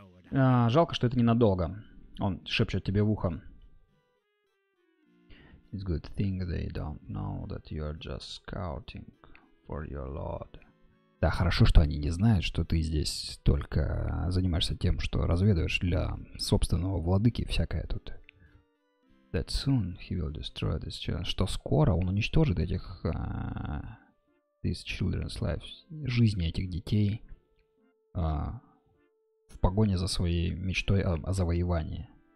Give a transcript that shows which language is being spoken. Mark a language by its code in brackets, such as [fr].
[ru] Жалко, что это ненадолго. Он шепчет тебе в ухо. [en] It's a good thing they don't know that you're just scouting for your lord. [ru] Да, хорошо, что они не знают, что ты здесь только занимаешься тем, что разведываешь для собственного владыки всякое тут. [en] That soon he will destroy this child. [ru] Что скоро он уничтожит этих [en] these children's lives, [ru] жизни этих детей в погоне за своей мечтой о завоевании.